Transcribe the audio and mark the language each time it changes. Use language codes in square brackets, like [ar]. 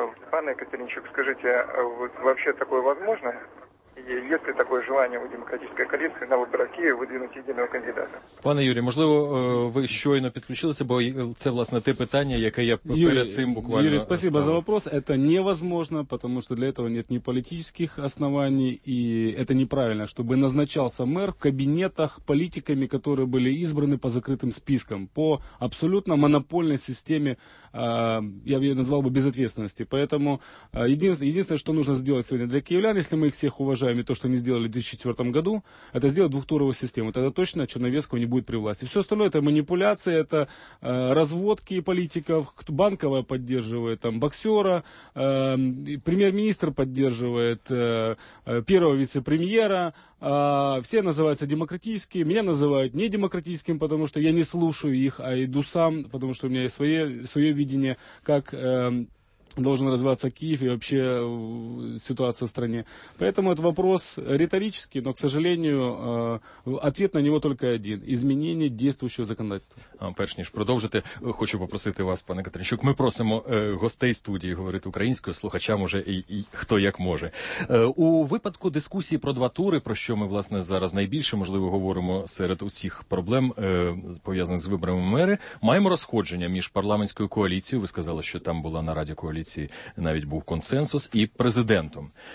[uk] Пане Екатеринчук, скажіть, взагалі таке можливо? Є ли таке бажання у демократичної коаліції на виборах Києва видвинути єдиного кандидата? Пане Юрій, можливо, ви щойно підключилися, бо це, власне, те питання, яке я перед цим буквально... [ru] Юрій, спасибо за вопрос. Это невозможно, потому что для этого нет ни политических оснований, и это неправильно, чтобы назначался мэр в кабинетах политиками, которые были избраны по закрытым спискам, по абсолютно монопольной системе, я бы ее назвал бы безответственности. Поэтому единственное, что нужно сделать сегодня для киевлян, если мы их всех уважаем, и то, что они сделали в 2004 году, это сделать двухтуровую систему. Тогда точно Черновецкого не будет при власти. Все остальное — это манипуляции, это разводки политиков, Банковая поддерживает там боксера, премьер-министр поддерживает первого вице-премьера, все называются демократические, меня называют недемократическим, потому что я не слушаю их, а иду сам, потому что у меня есть свое видение, как должен развиваться Киев и вообще ситуация в стране. Поэтому этот вопрос риторический, но, к сожалению, ответ на него только один – изменение действующего законодательства. [uk] Перш ніж продовжити, хочу попросити вас, пане Катеринчук, ми просимо гостей студії говорити українською, слухачам уже і хто як може. У випадку дискусії про два тури, про що ми, власне, зараз найбільше, можливо, говоримо серед усіх проблем, пов'язаних з виборами мери, маємо розходження між парламентською коаліцією, ви сказали, що там була на Раді коаліції, навіть був консенсус, і президентом.